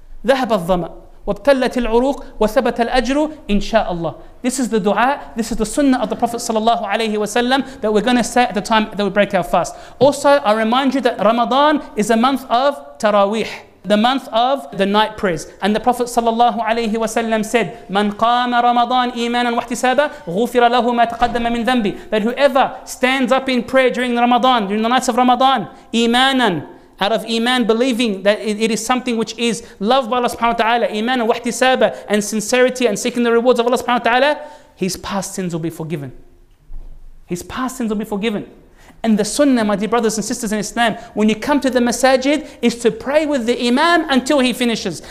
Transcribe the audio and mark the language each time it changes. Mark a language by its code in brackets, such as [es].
[ar] ذَهَبَ الظَّمَأْ وَابْتَلَّتِ الْعُرُوقْ وَثَبَتَ الْأَجْرُ إِنْشَاءَ. [en] This is the dua, this is the sunnah of the Prophet sallallahu alayhi wa sallam that we're going to say at the time that we break our fast. Also, I remind you that Ramadan is a month of Taraweeh, the month of the night prayers. And the Prophet sallallahu alayhi wa sallam said, [ar] مَنْ قَامَ رَمَضَانَ إِيمَانًا وَاحْتِسَابًا غُفِرَ لَهُ مَا تَقَدَّمَ مِنْ ذَنْبِ. [en] That whoever stands up in prayer during Ramadan, during the nights of Ramadan, إِيمَانًا, out of iman, believing that it is something which is loved by Allah subhanahu wa ta'ala, iman and wahtisaba, and sincerity and seeking the rewards of Allah subhanahu wa ta'ala, his past sins will be forgiven. His past sins will be forgiven. And the sunnah, my dear brothers and sisters in Islam, when you come to the masajid, is to pray with the imam until he finishes.